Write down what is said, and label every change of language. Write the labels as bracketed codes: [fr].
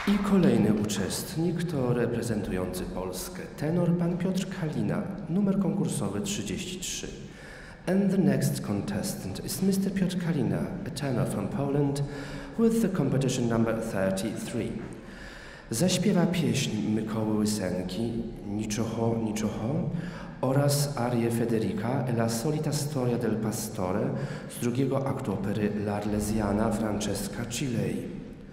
[pl] Kolejny uczestnik to reprezentujący Polskę tenor pan Piotr Kalina, numer konkursowy 33. [en] And the next contestant is Mr. Piotr Kalina, a tenor from Poland, with the competition number 33. [pl] Zaśpiewa pieśń Mykoły Łysenki, Niczoho, Niczoho, oraz arię Federica, La solita storia del pastore, z drugiego aktu opery L'Arlesiana Francesca Cilei.